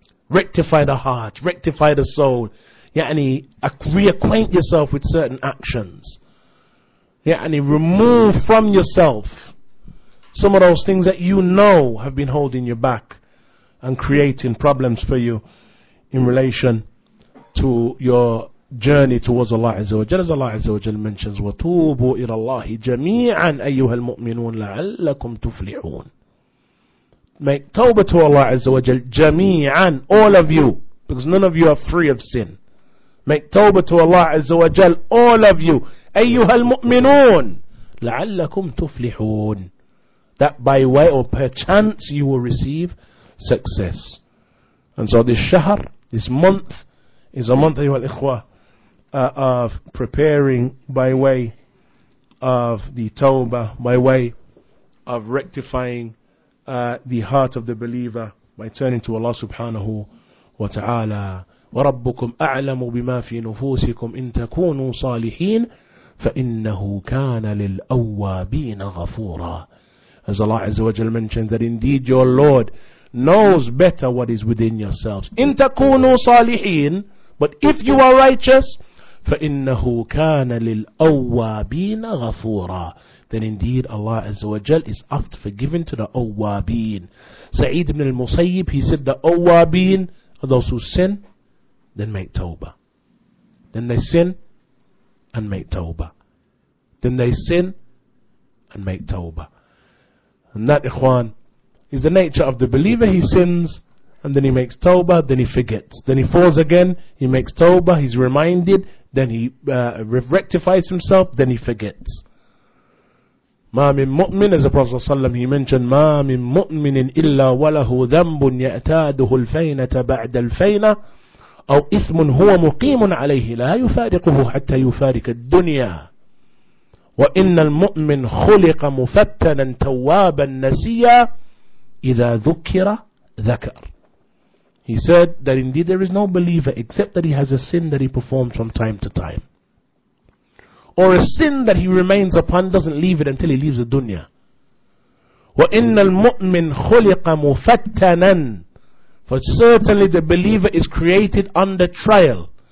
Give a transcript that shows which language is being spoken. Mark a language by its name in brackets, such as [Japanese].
[English] Rectify the heart, rectify the soul. Yeah, and reacquaint yourself with certain actions. Yeah, and remove from yourself some of those things that you know have been holding you back and creating problems for you in relation to your journey towards Allah Azza wa Jal. As Allah Azza wa Jal mentions, [Arabic] وَتُوبُوا إِلَى اللَّهِ جَمِيعًا أَيُّهَا الْمُؤْمِنُونَ لَعَلَّكُمْ تُفْلِحُونَ. [English] Make tawbah to Allah Azza wa Jal, jami'an, all of you, because none of you are free of sin. Make tawbah to Allah Azza wa Jal, all of you, [Arabic] أَيُّهَا الْمُؤْمِنُونَ لَعَلَّكُمْ تُفْلِحُونَ, [English] that by way or perchance you will receive success. And so this shahr, this month, is a month, [Arabic] ayyuhal ikhwa, [English] of preparing by way of the tawbah, by way of rectifying the heart of the believer by turning to Allah subhanahu wa ta'ala. [Arabic] وربكم أعلم بما في نفوسكم إن تكونوا صالحين فإنه كان للأوابين غفورا. [English] As Allah Azza wa Jalla mentions that indeed your Lord knows better what is within yourselves. [Arabic] إن تكونوا صالحين, [English] but if you are righteous, [Arabic] فإنه كان للأوابين غفورا. [English] Then indeed Allah Azza wa Jal is oft forgiven to the awwabin. Sa'id ibn al-Musayyib, he said the awwabin are those who sin, then make tawbah. Then they sin and make tawbah. Then they sin and make tawbah. And that, ikhwan, is the nature of the believer. He sins and then he makes tawbah, then he forgets. Then he falls again, he makes tawbah, he's reminded, then he rectifies himself, then he forgets. [Arabic] مَا مِن مُؤْمِنِ, [English] as the Prophet ﷺ, he mentioned, [Arabic] مَا مِن مُؤْمِنٍ إِلَّا وَلَهُ ذَنْبٌ يَأْتَادُهُ الْفَيْنَةَ بَعْدَ الْفَيْنَةَ أَوْ إِثْمٌ هُوَ مُقِيمٌ عَلَيْهِ لَا يُفَارِقُهُ حَتَّى يُفَارِكَ الدُّنْيَا وَإِنَّ الْمُؤْمِنْ خُلِقَ مُفَتَّنًا تَوَّابًا نَسِيًّا إِذَا ذُكِّرَ ذَكَرَ. [English] He said that indeed there is no believer except that he has a sin that he performs from time to time, or a sin that he remains upon, doesn't leave it until he leaves the dunya. [Arabic] وَإِنَّ الْمُؤْمِنْ خُلِقَ مُفَتَّنًا. [English] For certainly the believer is created under trial.